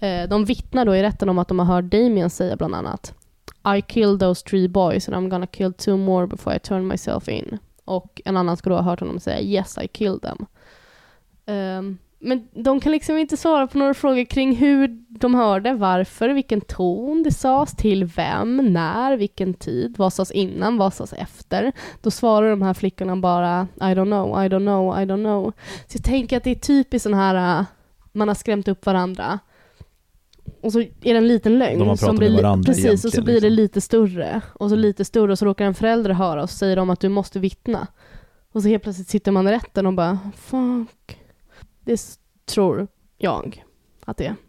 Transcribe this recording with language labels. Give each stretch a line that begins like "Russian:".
Swedish: De vittnar då i rätten om att de har hört Damien säga bland annat
English: I killed those three boys and I'm gonna kill two more before I turn myself in.
Swedish: Och en annan skulle då ha hört honom säga
English: yes, I killed them.
Swedish: Men de kan liksom inte svara på några frågor kring hur de hörde, varför, vilken ton det sades, till vem, när, vilken tid, vad sades innan, vad sades efter. Då svarar de här flickorna bara
English: I don't know, I don't know, I don't know.
Swedish: Så jag tänker att det är typiskt sån här, man har skrämt upp varandra. Och så är det en liten lögn som blir, precis, och så blir det lite större och så lite större, och så råkar en förälder höra och så säger de att du måste vittna. Och så helt plötsligt sitter man i rätten och bara fuck. Det tror jag att det är.